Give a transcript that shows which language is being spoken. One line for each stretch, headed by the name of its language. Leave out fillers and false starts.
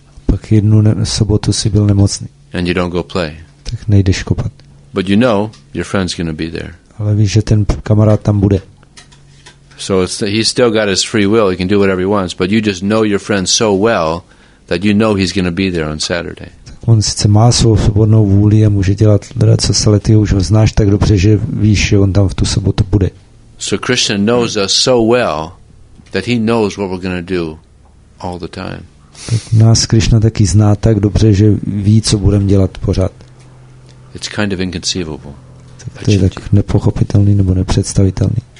Czech: Pak jednu sobotu si byl nemocný.
English: And you don't go play.
Czech: Tak nejdeš kopat.
English: But you know your friend's going to be there.
Czech: Ale víš, že ten kamarád tam bude.
English: So he's still got his free will. He can do whatever he wants. But you just know your friend so well that you know he's going to be there on Saturday.
Czech: Tak on sice má svou svobodnou vůli a může dělat, co se lety, už ho znáš tak dobře, že víš, že on tam v tu sobotu bude.
English: So Krishna knows us so well that he knows what we're going to do all the time.
Czech: Tak nás Krišna taky zná tak dobře, že ví, co budeme dělat pořád.
English: It's kind of inconceivable.
Czech: Tak to je tak nepochopitelný nebo nepředstavitelný.